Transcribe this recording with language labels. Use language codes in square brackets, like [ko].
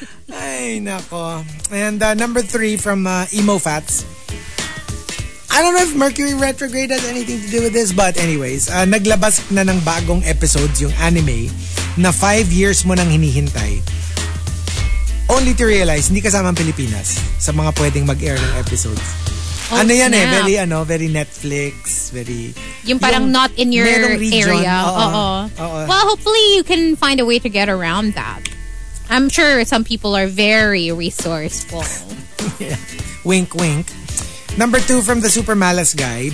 [tl] Ay, nako. [en] And number 3 from Emo Fats. I don't know if Mercury Retrograde has anything to do with this, but anyways, [tl] naglabas na ng bagong episodes yung anime na 5 years mo nang hinihintay. [en] Only to realize, [tl] hindi kasama ang Pilipinas sa mga pwedeng mag-air ng episodes. Oh, ano yan snap. [en] Eh? Very, [tl] ano, [en] very Netflix, very... [tl] Yung parang [en] not in your area. Uh-oh. Well, hopefully you can find a way to get around that. I'm sure some people are very resourceful. Yeah. Wink, wink. Number 2 from the Super Malice Guy.